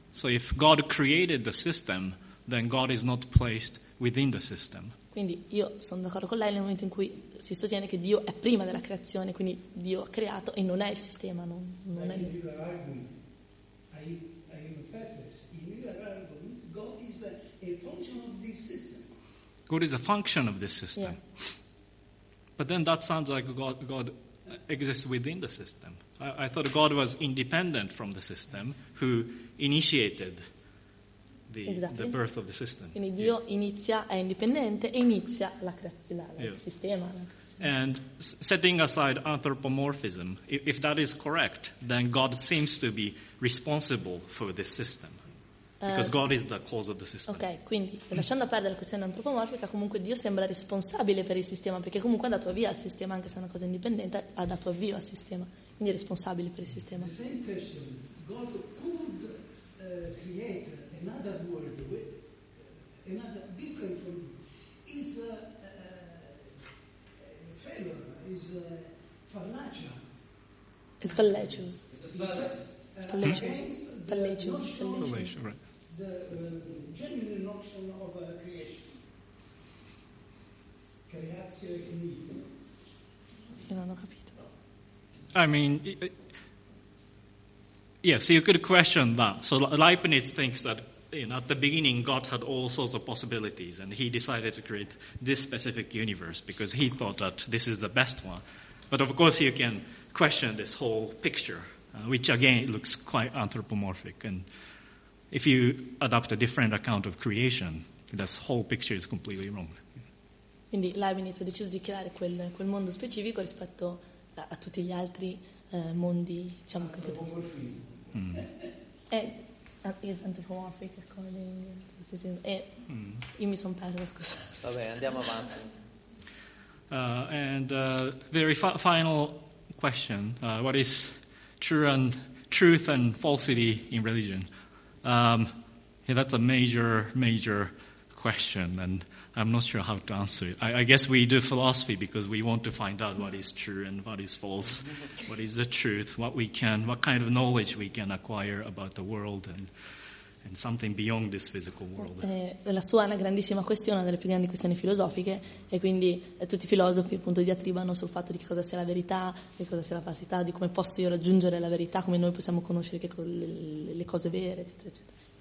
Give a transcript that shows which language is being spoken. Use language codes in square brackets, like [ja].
[en] So if God created the system, then God is not placed within the system. [it] Quindi io sono d'accordo con lei nel momento in cui si sostiene che Dio è prima della creazione, quindi Dio ha creato e non è il sistema, non è. [en] God is a function of this system. Yeah. But then that sounds like God exists within the system. I thought God was independent from the system, who initiated the birth of the system. [it] Quindi Dio inizia, è indipendente e inizia la creazione, il sistema. [en] And setting aside anthropomorphism, if that is correct, then God seems to be responsible for this system. Because God is the cause of the system. [it] Ok, quindi lasciando a perdere la questione antropomorfica, comunque Dio sembra responsabile per il sistema, perché comunque ha dato avvio al sistema, anche se è una cosa indipendente, ha dato avvio al sistema, quindi è responsabile per il sistema. [en] The same question: God could create another world, another different from this. Is failure, is fallacia. It's fallacious. It's fallacious. The genuine notion of creation. I mean, yeah, so you could question that. So Leibniz thinks that, you know, at the beginning God had all sorts of possibilities and he decided to create this specific universe because he thought that this is the best one. But of course you can question this whole picture, which again looks quite anthropomorphic, and if you adopt a different account of creation, this whole picture is completely wrong. [it] Quindi Leibniz ha deciso di creare quel mondo specifico rispetto a tutti gli altri mondi, diciamo, che potremmo. [en] È anthropomorphic according to the system. [it] Io mi sono persa, scusa. Vabbè, andiamo avanti. [en] Final question: what is truth and falsity in religion? That's a major question, and I'm not sure how to answer it. I guess we do philosophy because we want to find out what is true and what is false, what is the truth, what kind of knowledge we can acquire about the world and something beyond this physical world. [it] La sua è una grandissima questione, una delle più grandi questioni filosofiche, e quindi tutti i filosofi appunto diatribano sul fatto di che cosa sia la verità, che cosa sia la falsità, di come posso io raggiungere la verità, come noi possiamo conoscere le cose vere, eccetera, eccetera.